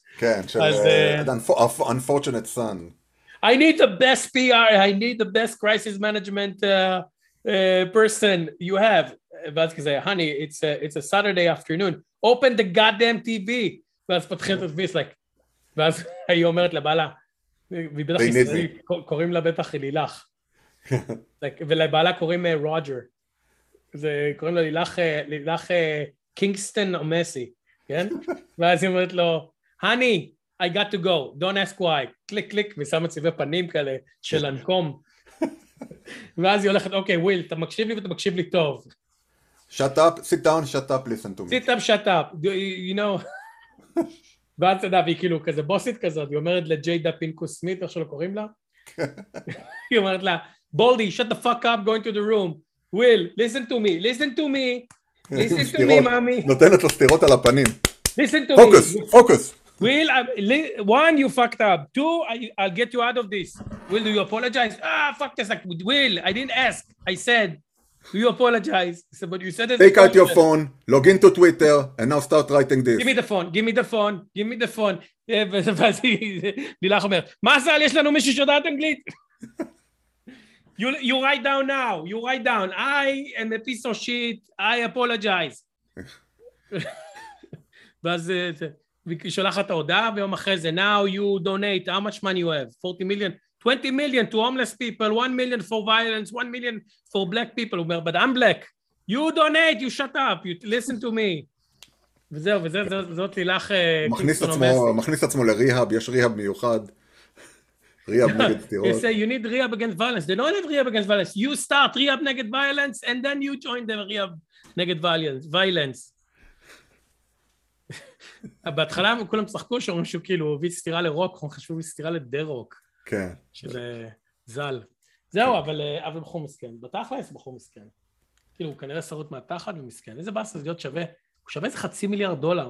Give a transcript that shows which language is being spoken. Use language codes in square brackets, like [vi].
[he] כן, של Unfortunate Son. [en] I need the best PR, I need the best crisis management person you have. [he] ואז כזה, [en] honey, it's a Saturday afternoon, open the goddamn TV. [he] ואז פתחים את הטלוויזיה, [en] it's like, [he] ואז היא אומרת לבעלה, ובטח ישראלי, קוראים לה בטח לילך. ולבעלה קוראים רוג'ר. זה קוראים לו לילך קינגסטון או מסי, כן? ואז היא אומרת לו, [en] honey, I got to go, don't ask why. [he] קליק קליק, ושמה צבעי פנים כאלה של אנקום. ואז היא הולכת, אוקיי, וויל, אתה מקשיב לי ואתה מקשיב לי טוב. [en] Shut up, sit down, shut up, listen to me. Sit up, shut up, you know. [he] ואז אתה יודע, והיא כאילו כזה בוסית כזאת, היא אומרת לג'יידה פינקוס סמית, איך שלא קוראים לה? היא אומרת לה, בולדי, [en] shut the fuck up, go into the room. וויל, listen to me, listen to me. Listen to me, mommy. [he] נותנת לו סתירות על הפנים. [en] Listen to focus, me. Focus, focus. Will, one, you fucked up. Two, I'll get you out of this. Will, do you apologize? Ah, fuck this. Will, I didn't ask. I said, do you apologize? I said, but you said it. Take out your phone, log into Twitter, and now start writing this. Give me the phone. Give me the phone. Give me the phone. [he] ואז לילך אומר, מזל, יש לנו מישהו שיודעת אנגלית. [en] You write down now. You write down. I am a piece of shit. I apologize. [he] ואז... היא שולחת ההודעה, ויום אחרי זה, [en] now you donate, how much money you have? 40 million? 20 million to homeless people, 1 million for violence, 1 million for black people, [he] הוא אומר, [en] but I'm black. You donate, you shut up, you listen to me. [he] וזהו, וזאת לילך... מכניס עצמו לריהאב, יש ריהאב מיוחד. ריהאב נגד [en] פטירות. He say, you need ריהאב against violence. They don't have ריהאב against violence. You start ריהאב נגד violence, and then you join the ריהאב נגד violence. [he] בהתחלה הם כולם צחקו שאומרים שהוא כאילו הוביל סתירה לרוק, הם חשבו סתירה לדרוק. כן. שזה זל. זהו, אבל בחור מסכן. בתכלס בחור מסכן. כאילו, הוא כנראה שרוט מהתחת ומסכן. איזה בסס להיות שווה? הוא שווה איזה חצי מיליארד דולר.